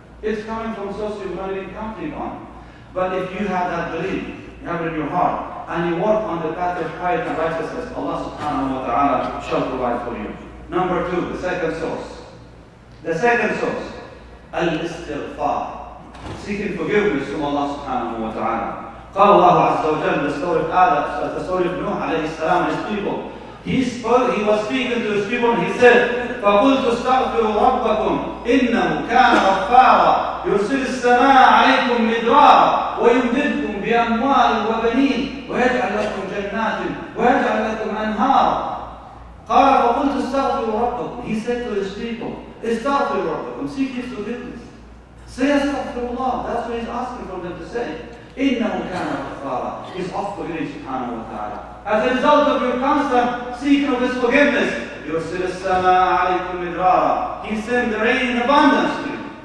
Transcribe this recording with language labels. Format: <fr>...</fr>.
<en>It's coming from sources you're not even counting on. But if you have that belief, you have it in your heart, and you work on the path of piety and righteousness, Allah subhanahu wa ta'ala shall provide for you. Number two, the second source. The second source, al-istighfar, seeking forgiveness from Allah subhanahu wa ta'ala.</en> <ar>Qala Allah azza wa jalla,</ar> <en>the story of Nuh alayhi salam, his people. He was speaking to his people and he said,</en> <ar>فَقُلْتُ اسْتَغْفِرُ رَبَّكُمْ إِنَّهُ كَانَ غَفَّارًا يُرْسِلِ السَّمَاءَ عَلَيْكُمْ مِدْرَارًا وَيُمْدِدْكُمْ بِأَمْوَالٍ وَبَنِينَ وَيَجْعَلْ لَكُمْ جَنَّاتٍ وَيَجْعَلْ لَكُمْ أَنْهَارًا قَالَ فَقُلْتُ اسْتَغْفِرُ رَبَّكُمْ.</ar> <en>He said to his people,</en> <ar>استغفر ربكم,</ar> <en>seek his forgiveness. Say astaghfirullah, that's what he's asking for them to say.</en> <ar>إِنَّهُ كَانَ غَفَّارًا,</ar> <en>he's off forgiveness subhanahu wa ta'ala. As a result of your constant seeking of his forgiveness,</en> <ar>يُرْسِلِ السَّمَاءَ عَلَيْكُمْ مِدْرَارًا,</ar> <en>he sent the rain in abundance to you.</en>